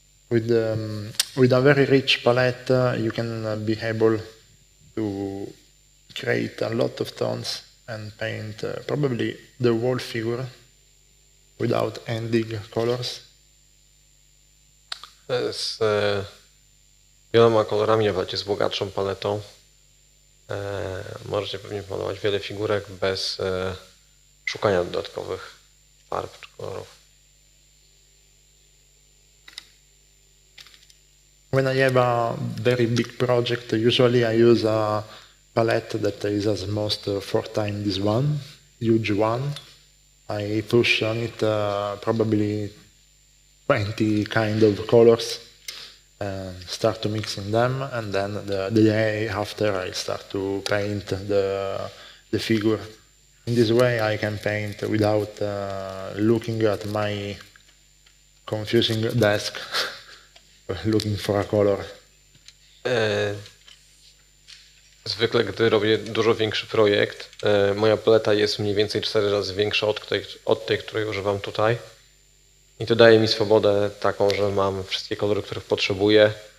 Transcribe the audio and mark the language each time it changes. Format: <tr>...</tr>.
<en>With a very rich palette, you can be able to create a lot of tones and paint probably the whole figure without ending colors. Yes.</en> <pl>Wieloma kolorami, a z bogatszą paletą. Możecie pewnie malować wiele figurek bez szukania dodatkowych farb czy kolorów.</pl> <en>When I have a very big project, usually I use a palette that is at most four times this one, huge one. I push on it probably 20 kind of colors, start to mixing them, and then the day after I start to paint the figure. In this way I can paint without looking at my confusing desk. Looking for a color.</en> <pl>Zwykle, gdy robię dużo większy projekt, moja paleta jest mniej więcej 4 razy większa od tej, której używam tutaj. I to daje mi swobodę taką, że mam wszystkie kolory, których potrzebuję.</pl>